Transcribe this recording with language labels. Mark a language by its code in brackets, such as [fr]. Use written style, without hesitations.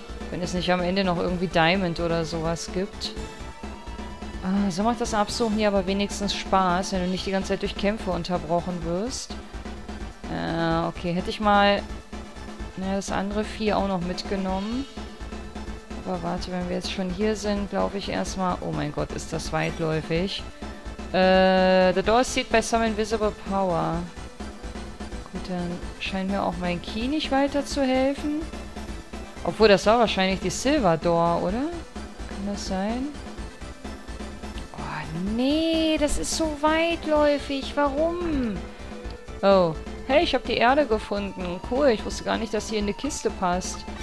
[de] Wenn es nicht am Ende noch irgendwie Diamond oder sowas gibt. Ah, so macht das Absuchen hier aber wenigstens Spaß, wenn du nicht die ganze Zeit durch Kämpfe unterbrochen wirst. Okay, hätte ich mal das andere Vieh auch noch mitgenommen. Aber warte, wenn wir jetzt schon hier sind, glaube ich erstmal... Oh mein Gott, ist das weitläufig. [en] The door is sealed by some invisible power. [de] Gut, dann scheint mir auch mein Key nicht weiter zu helfen. Obwohl, das war wahrscheinlich die Silver Door, oder? Kann das sein? Oh, nee, das ist so weitläufig. Warum? Oh, hey, ich habe die Erde gefunden. Cool, ich wusste gar nicht, dass sie in die Kiste passt.